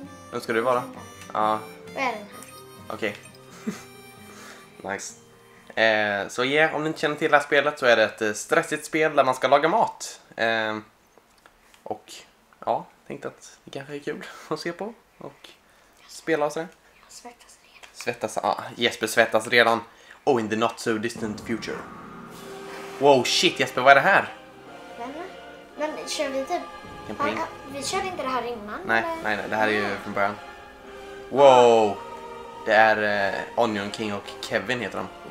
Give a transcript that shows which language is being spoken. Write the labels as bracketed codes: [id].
[sv] Vem ska du vara? Ja. Okej. Okay. Nice. Så ja, om ni inte känner till det här spelet så är det ett stressigt spel där man ska laga mat. Och ja, tänkte att det kanske är kul att se på och spela och sådär. Jag svettas redan. Svettas, ja. Jesper svettas redan. [en] Oh, in the not so distant future. [sv] Wow, shit Jesper, vad är det här? Men kör vi typ... Vi kör inte det här innan? Nej, det här är ju från början. Wow! Det är Onion King och Kevin heter de.